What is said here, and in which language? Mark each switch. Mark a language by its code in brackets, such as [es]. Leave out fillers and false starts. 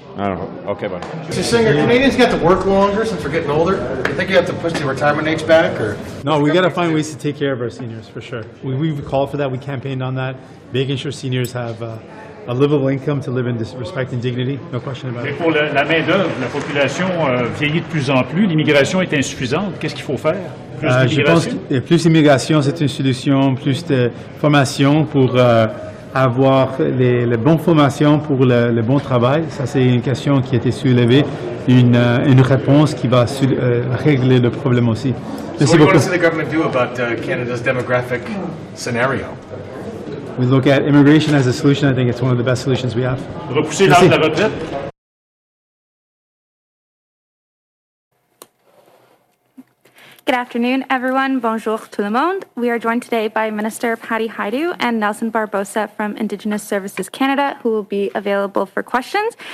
[en] I don't know. Okay, buddy. Mr. Singer, Canadians got to work longer since we're getting older. Do you think you have to push the retirement age back? Or? No, we got to find ways to take care of our seniors, for sure. We've called for that. We campaigned on that, making sure seniors have a livable income to live in respect and dignity. No question about it. [fr] Pour la main d'œuvre, la population vieillit de plus en plus. L'immigration est insuffisante. Qu'est-ce qu'il faut faire? Je pense que plus d'immigration, c'est une solution. Plus de formation pour... avoir les bonnes formations pour le bon travail, ça c'est une question qui a été soulevée, une réponse qui va régler le problème aussi. Merci beaucoup. [en] What do you want to see the government do about Canada's demographic scenario? We look at immigration as a solution. I think it's one of the best solutions we have. [fr] Repousser l'âge de la retraite. [en] Good afternoon, everyone. [fr] Bonjour tout le monde. [en] We are joined today by Minister Patty Hajdu and Nelson Barbosa from Indigenous Services Canada, who will be available for questions.